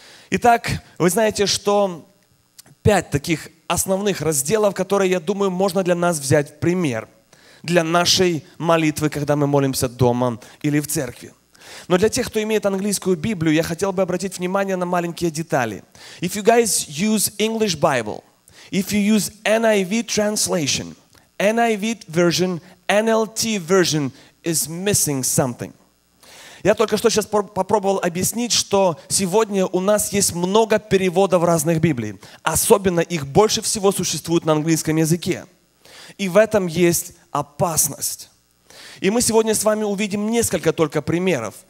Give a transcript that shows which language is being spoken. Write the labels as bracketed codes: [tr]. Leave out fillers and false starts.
[ru] Итак, вы знаете, что пять таких основных разделов, которые, я думаю, можно для нас взять в пример для нашей молитвы, когда мы молимся дома или в церкви. Но для тех, кто имеет английскую Библию, я хотел бы обратить внимание на маленькие детали. [en] If you guys use English Bible, if you use NIV translation, NIV version, NLT version is missing something. [ru] Я только что сейчас попробовал объяснить, что сегодня у нас есть много переводов разных Библий. Особенно их больше всего существует на английском языке. И в этом есть опасность. И мы сегодня с вами увидим несколько только примеров.